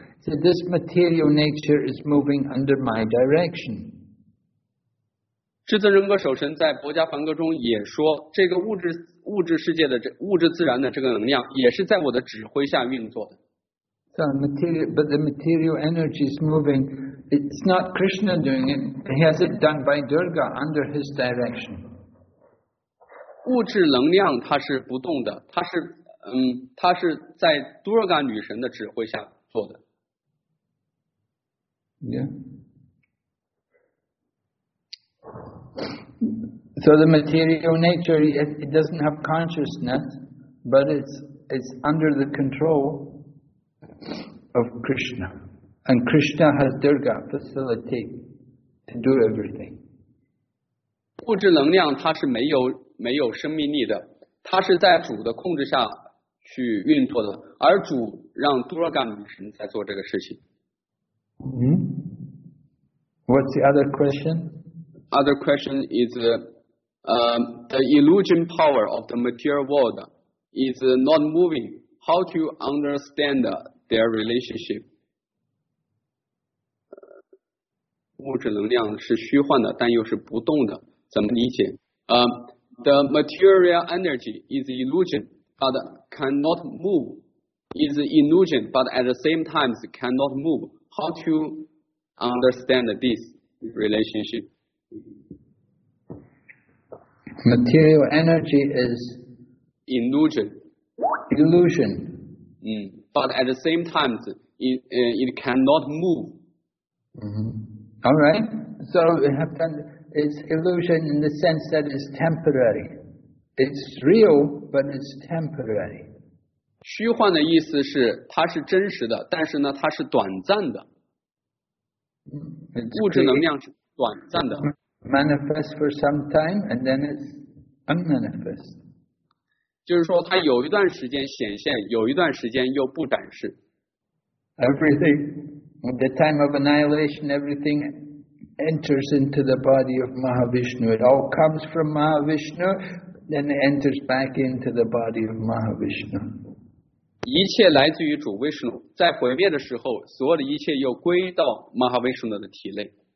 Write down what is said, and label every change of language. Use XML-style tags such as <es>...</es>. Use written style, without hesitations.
<en>So this material nature is moving under my direction.</en> <zh>智尊仁波首神在《薄伽梵歌》中也说，这个物质世界的这物质自然的这个能量，也是在我的指挥下运作的。</zh> <en>But the material energy is moving. It's not Krishna doing it. He has it done by Durga under his direction.</en> <zh>物质能量它是不动的，它是在 Durga 女神的指挥下做的。</zh> <en>Yeah. So the material nature it doesn't have consciousness, but it's under the control. Of Krishna, and Krishna has Durga facilitate to do everything.</en> <zh>物质能量它是没有生命力的，它是在主的控制下去运作的，而主让 Durga 女神在做这个事情。</zh> <en>What's the other question? Other question is, the illusion power of the material world is not moving. How to understand their relationship.</en> <zh>物质能量是虚幻的但又是不动的，怎么理解？</zh> <en>The material energy is illusion but cannot move. Is illusion but at the same time cannot move. How to understand this relationship? Material energy is illusion. Illusion. But at the same time, it cannot move. Mm-hmm. All right. So it's illusion in the sense that it's temporary. It's real, but it's temporary.</en> <zh>虚幻的意思是它是真实的，但是呢，它是短暂的。物质能量是短暂的。</zh> <en>Manifest for some time, and then it's unmanifest.</en> <zh>就是说它有一段时间显现，有一段时间又不展示。</zh> <en>Everything, at the time of annihilation, everything enters into the body of Mahavishnu. It all comes from Mahavishnu, then it enters back into the body of Mahavishnu.</en> <zh>一切来自于主 Vishnu, 在毁灭的时候，所有的一切又归到 Mahavishnu 的体内。</zh>